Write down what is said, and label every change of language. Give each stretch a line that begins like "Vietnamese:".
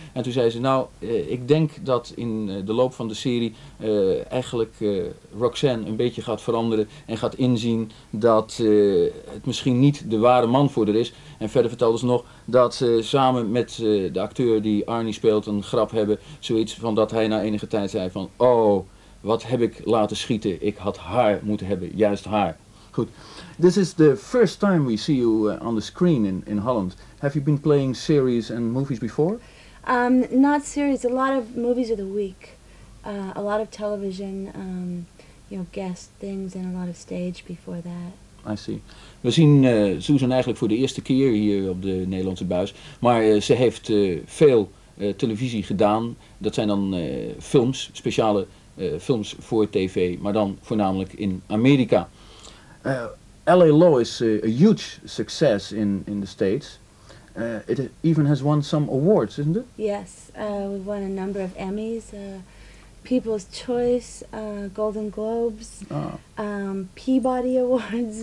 Dutch: En toen zei ze, nou, ik denk dat in de loop van de serie eigenlijk Roxanne een beetje gaat veranderen en gaat inzien dat het misschien niet de ware man voor haar is. En verder vertelde ze nog dat ze samen met de acteur die Arnie speelt een grap hebben, zoiets van dat hij na enige tijd zei van, oh, wat heb ik laten schieten, ik had haar moeten hebben, juist haar. Goed.
English: This is the first time we see you on the screen in Holland. Have you been playing series and movies before? Not series, a lot of movies of the week. A lot of television, you know, guest things and a lot of stage before that. I see.
Dutch: We zien Susan eigenlijk voor de eerste keer hier op de Nederlandse buis. Maar ze heeft veel televisie gedaan. Dat zijn dan films, speciale films voor tv, maar dan voornamelijk in Amerika.
English: L.A. Law is a huge success in the States. It even has won some awards, isn't it? Yes, we've won a number of Emmys, People's Choice, Golden Globes, Peabody Awards.